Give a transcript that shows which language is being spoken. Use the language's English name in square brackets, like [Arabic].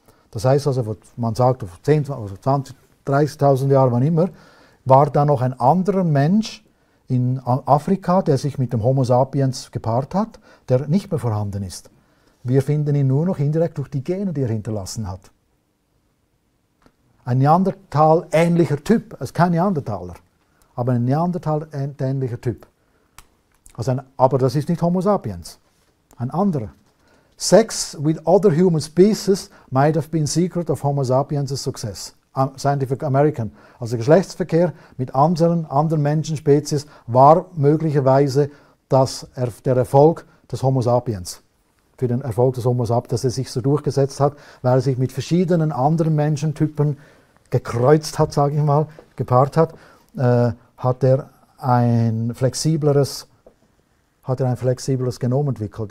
[German] Das heißt also, man sagt, vor 10, 20, 30.000 Jahren, wann immer, war da noch ein anderer Mensch in Afrika, der sich mit dem Homo sapiens gepaart hat, der nicht mehr vorhanden ist. Wir finden ihn nur noch indirekt durch die Gene, die er hinterlassen hat. Ein Neandertal-ähnlicher Typ, also kein Neandertaler, aber ein Neandertal-ähnlicher Typ. Also aber das ist nicht Homo sapiens, ein anderer. [English] Sex with other human species might have been secret of Homo sapiens' success. [German] Scientific American, also Geschlechtsverkehr mit anderen Menschenspezies, war möglicherweise der Erfolg des Homo sapiens, dass er sich so durchgesetzt hat, weil er sich mit verschiedenen anderen Menschentypen gekreuzt hat, sage ich mal, gepaart hat, hat er ein flexibleres Genom entwickelt.